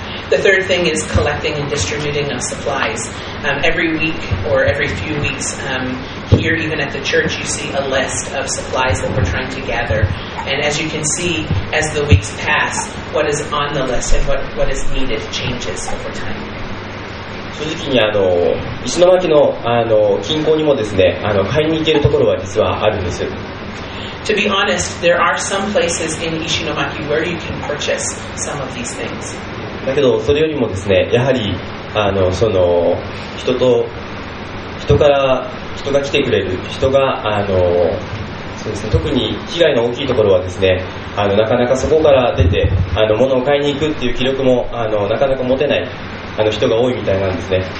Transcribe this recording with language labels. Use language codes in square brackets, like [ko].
[en] The third thing is collecting and distributing of supplies. Every week or every few weeks, here even at the church, you see a list of supplies that we're trying to gather. And as you can see, as the weeks pass, what is on the list and what is needed changes over time. [ja] 正直に石巻の近郊にもですね、買いに行けるところは実はあるんですよ。 [en] To be honest, there are some places in Ishinomaki where you can purchase some of these things. [ja] だけどそれよりもですね、やはりその人から人が来てくれる人がそうですね、特に被害の大きいところはですね、なかなかそこから出て物を買いに行くっていう気力もなかなか持てない人が多いみたいなんですね。